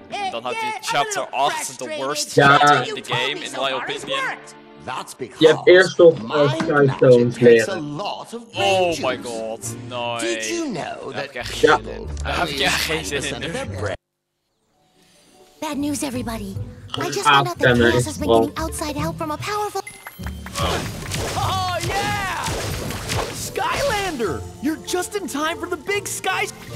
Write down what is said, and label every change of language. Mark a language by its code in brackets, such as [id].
[nl] Dan had hij [en] chapter 8, the worst chapter in the game, in my opinion. [nl] Je hebt eerst nog Skystones leren. [en] Oh my god, nee. [nl] Daar heb ik echt geen zin in. [en] Bad news, everybody. I just found out that Chaos has been getting outside help from a powerful... Oh, yeah! Skylander! You're just in time for the big sky...